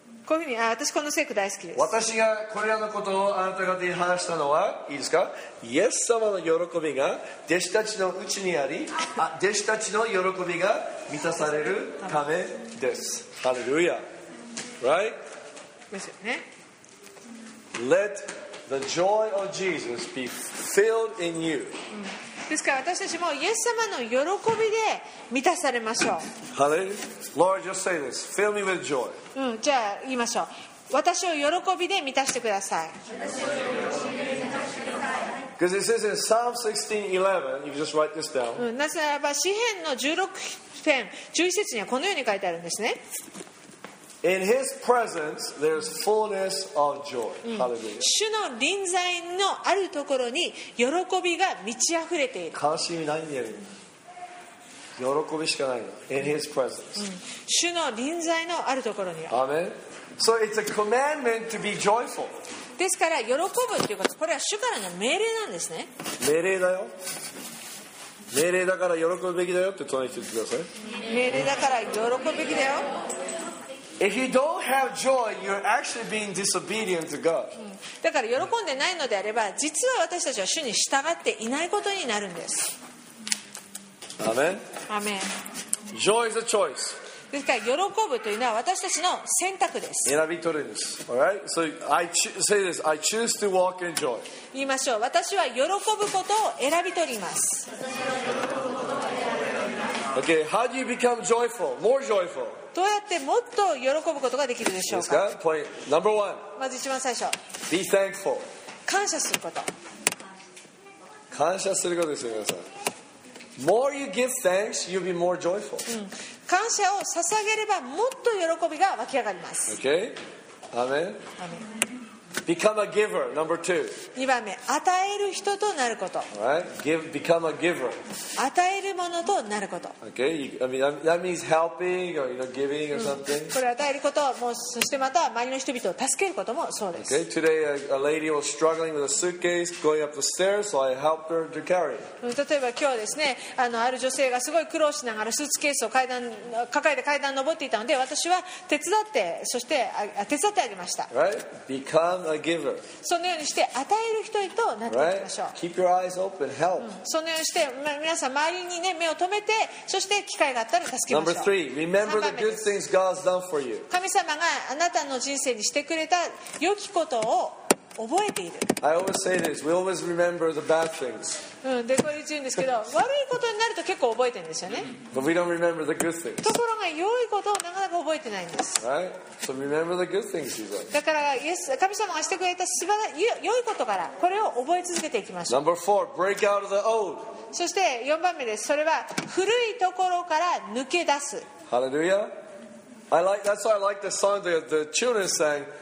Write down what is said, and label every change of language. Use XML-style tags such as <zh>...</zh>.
<ja>こういうふうに、あ、私この聖句大好きです。私がこれらのことをあなた方に話したのは、いいですか？イエス様の喜びが弟子たちのうちにあり、あ、弟子たちの喜びが満たされるためです。ハレルヤ。</ja> <en>Right?</en> <ja>ですよね。</ja> <en>Let the joy of Jesus be filled in you.</en> <ja>ですから私たちもイエス様の喜びで満たされましょう。</ja> <en>Hallelujah. Lord, just say this. Fill me with joy.</en> <ja>じゃあ言いましょう。私を喜びで満たしてください。</ja> <en>Because it says in Psalm 16:11, you can just write this down.</en> <ja>なぜならば詩篇の16篇11節にはこのように書いてあるんですね。</ja> <en>In His presence, there's fullness of joy. Hallelujah.</en> <ja>主の臨在のあるところに喜びが満ち溢れている。悲しみないんだよ。喜びしかないの。</ja> <en>In His presence.</en> <ja>主の臨在のあるところに。</ja> <en>Amen. So it's a commandment to be joyful.</en> <ja>ですから喜ぶということは、これは主からの命令なんですね。命令だよ。命令だから喜ぶべきだよって隣に言ってください。命令だから喜ぶべきだよ。</ja> <en>If you don't have joy, you're actually being disobedient to God.</en> <ja>だから喜んでないのであれば、実は私たちは主に従っていないことになるんです。</ja> <en>Amen. Amen. Joy is a choice.</en> <ja>ですから喜ぶというのは私たちの選択です。選び取るんです。</ja> <en>All right? So I say this. I choose to walk in joy.</en> <ja>言いましょう。私は喜ぶことを選び取ります。</ja> <en>Okay. How do you become joyful? More joyful.</en> <ja>どうやってもっと喜ぶことができるでしょうか。</ja> <en>ポイント number one。</en> <ja>まず一番最初。</ja> <en>Be thankful。</en> <ja>感謝すること。感謝することですよ皆さん。</ja> <en>More you give thanks, you'll be more joyful。</en> <ja>感謝を捧げればもっと喜びが湧き上がります。</ja> <en>Okay? Amen. Amen. Become a giver. Number two。</en> <ja>二番目、与える人となること。</ja> <en>Right? Give, become a giver。</en> <ja>与えるものとなること。</ja> <en>Okay, I mean that means helping or you know giving or something。</en> <ja>これ与えること、もうそしてまた周りの人々を助けることもそうです。</ja> <en>Okay, today a lady was struggling with a suitcase going up the stairs, so I helped her to carry it。</en> <ja>例えば今日ですね、ある女性がすごい苦労しながらスーツケースを階段抱えて階段登っていたので、私は手伝って、そして手伝ってあげました。</ja> <en>Right? Become a giver。</en> <ja>そのようにして与える人へとなっていきましょう。</ja> <en>Keep your eyes open, help。</en> <ja>そのようにして皆さん周りに、ね、目を止めて、そして機会があったら助けましょう。</ja> <en>Number three, remember the good things God's done for you.</en> <ja>神様があなたの人生にしてくれた良きことを覚えている。</ja> <en>I always say this. We always remember the bad things.</en> <ja>で、これ言うんですけど、悪いことになると結構覚えてるんですよね。</ja> <en>But we don't remember the good things.</en> <ja>ところが良いことをなかなか覚えてないんです。</ja> <en>Right? So remember the good things, Jesus.</en> <ja>だから、イエス、神様がしてくれた素晴らしい良いことからこれを覚え続けていきましょう。</ja> <en>Number four, break out of the old.</en> <ja>そして4番目です。それは古いところから抜け出す。ハレルヤ。</ja> <en>That's why I like the song the children sang.</en>